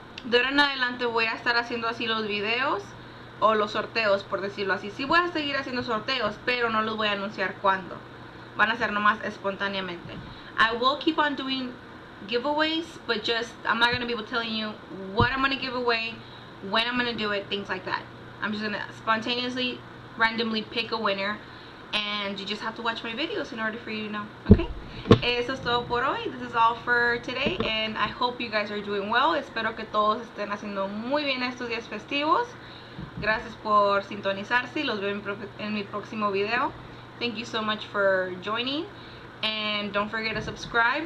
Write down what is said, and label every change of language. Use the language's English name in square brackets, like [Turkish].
[Spanish] De ahora en adelante voy a estar haciendo así los videos o los sorteos, por decirlo así. Sí voy a seguir haciendo sorteos, pero no los voy a anunciar cuándo. Van a ser nomás espontáneamente. [English] I will keep on doing giveaways, but just I'm not gonna be telling you what I'm gonna give away, when I'm gonna do it, things like that. I'm just gonna spontaneously, randomly pick a winner, and you just have to watch my videos in order for you to know. Okay. [Spanish] Eso es todo por hoy. [English] This is all for today, and I hope you guys are doing well. [Spanish] Espero que todos estén haciendo muy bien estos días festivos. Gracias por sintonizarse. Los veo en mi próximo video. [English] Thank you so much for joining, and don't forget to subscribe.